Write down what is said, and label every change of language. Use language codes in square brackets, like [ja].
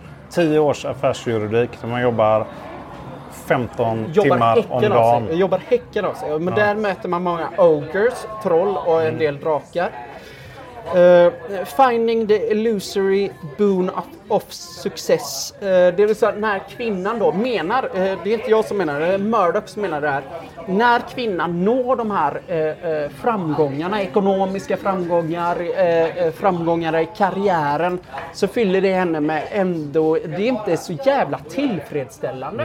[sv] 10 års affärsjuridik där man jobbar 15 jobbar timmar om dagen. Jag jobbar häcken av sig. Men ja. Där möter man många ogres, troll och en del drakar. [en] Finding the illusory boon of success. [sv] Det vill säga när kvinnan då menar, det är inte jag som menar det, Murdoch som menar det här. När kvinnan når de här framgångarna, ekonomiska framgångar, framgångar i karriären, så fyller det henne med ändå, det är inte så jävla tillfredsställande.